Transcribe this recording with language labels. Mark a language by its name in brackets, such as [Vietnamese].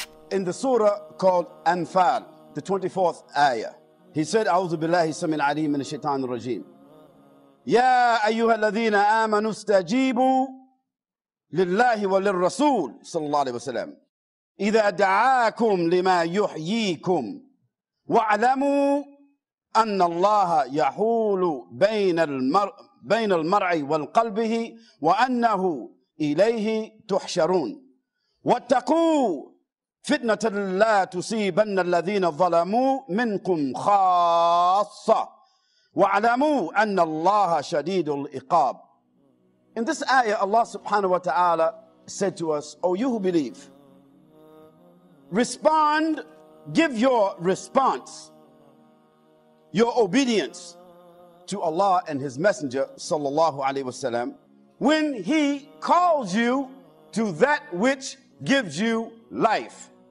[English] in the surah called Anfal, the 24th ayah. He said, [Arabic] أعوذ بالله السميع العليم من الشيطان الرجيم. يا أيها الذين آمنوا استجيبوا لله وللرسول صلى الله عليه وسلم إذا دعاكم لما يحييكم واعلموا أن الله يحول بين المرء والقلبه وأنه إليه تحشرون واتقوا فتنة لا تصيبن الذين ظلموا منكم خاصة واعلموا أن الله شديد العقاب. [English] In this ayah, Allah subhanahu wa ta'ala said to us, O you who believe, respond, give your response, your obedience to Allah and His Messenger sallallahu alayhi wasallam when He calls you to that which gives you life.